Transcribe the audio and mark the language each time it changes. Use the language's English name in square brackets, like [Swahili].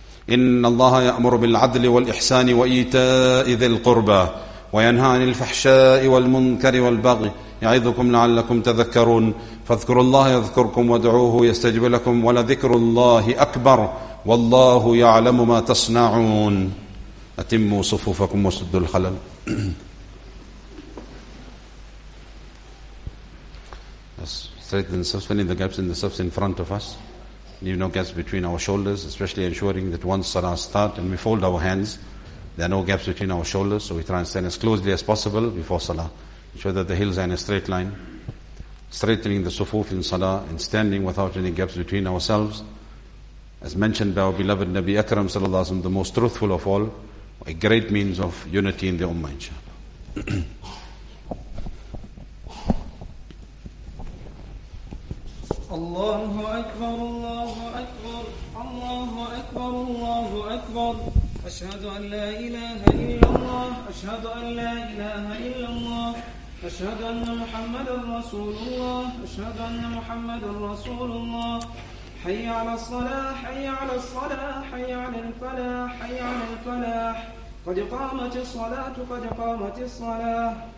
[Arabic] إن الله يأمر بالعدل والإحسان وإيتاء ذي القربى وينهى عن الفحشاء والمنكر والبغي يعظكم لعلكم تذكرون. فاذكروا الله يذكركم وادعوه يستجب لكم، ولذكر الله أكبر والله يعلم ما تصنعون. أتموا صفوفكم وسدوا الخلل. [English] Straighten the soft, filling the gaps in the soft in front of us. Leave no gaps between our shoulders, especially ensuring that once salah start and we fold our hands, there are no gaps between our shoulders. So we try and stand as closely as possible before salah. Ensure that the heels are in a straight line. Straightening the sufuf in salah and standing without any gaps between ourselves. As mentioned by our beloved Nabi Akram sallallahu alaihi wasallam, the most truthful of all, a great means of unity in the ummah, inshaAllah. [Arabic] الله أكبر الله أكبر الله أكبر الله أكبر، أشهد أن لا إله إلا الله أشهد أن لا إله إلا الله، أشهد أن محمد رسول الله أشهد أن محمد رسول الله، حي على الصلاة حي على الصلاة، حي على الفلاح حي على الفلاح، قد قامت الصلاة قد قامت الصلاة.